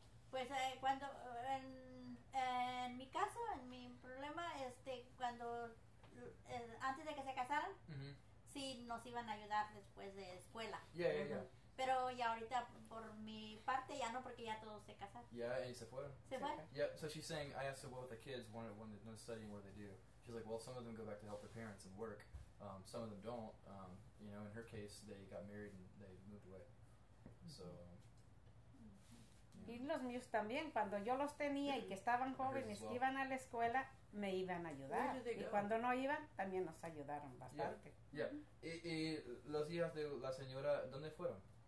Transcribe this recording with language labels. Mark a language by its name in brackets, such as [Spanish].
[Spanish] Pues cuando en mi caso, en mi problema, cuando antes de que se casaran, mm-hmm. sí nos iban a ayudar después de escuela. [English] Yeah, yeah, yeah. [Spanish] Pero ya ahorita por mi parte ya no, porque ya todos se casaron. Yeah, y se fueron. Se fueron. [English] Yeah, so she's saying I asked what the kids when they're studying, what they do. She's like, well, some of them go back to help their parents and work. Some of them don't. You know, in her case, they got married and they moved away. So. [Spanish] Y los míos también, cuando yo los tenía y que estaban jóvenes, [English] well. [Spanish] Que iban a la escuela, me iban a ayudar. Y cuando no iban, también nos ayudaron bastante. [English] Yeah. Yeah. [Spanish] Mm-hmm. Y los hijos de la señora, ¿dónde fueron?